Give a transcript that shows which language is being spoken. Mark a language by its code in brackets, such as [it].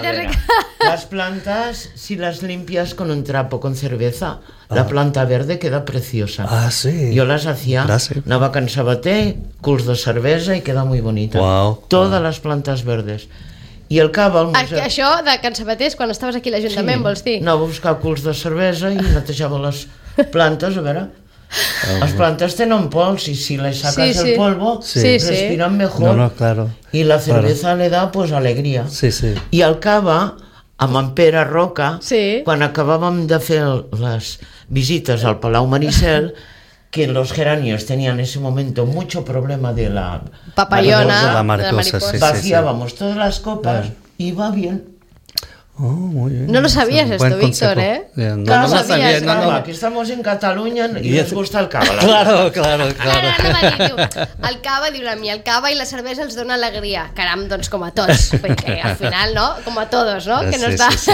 [es] les plantes, si les limpies con un trapo, con cerveza, la planta verde queda preciosa. Ah, sí. [ca] Jo les [es] hacía, [ca] anava can sabater, culs de cervesa i queda [es] muy bonita. Wow. [ca] Totes les plantes verdes. I el cava al museu. Això de can sabater, quan estaves aquí a l'Ajuntament, sí. Vols dir? Anava a buscar culs de cervesa i netejava les plantes, a veure... [es] Las plantas tienen [ca] pols [es] y si les sacas sí, sí. El polvo sí. Respiran mejor. No, claro. Y la cerveza claro. Le da pues alegría. Sí, sí. Y al cava, [ca] amb en [es] Pere Roca, sí. [ca] Quan acabàvem de fer les visites al Palau Maricel, [es] que los geranios tenían en ese momento mucho problema de la [ca] papallona, [es] de la mariposa. Vaciábamos todas las copas y va bien. Oh, muy bien. No lo sabías esto, Víctor, consejo. No, no lo sabías, sabía, no, no. Aquí estamos en Cataluña y les gusta el cava. Claro, claro, claro. [ca] El cava, diu, a mi el cava i la cervesa els dona alegria. Caram, doncs com a tots, perquè al final, no? Com a tots, no? [es] Que nos da.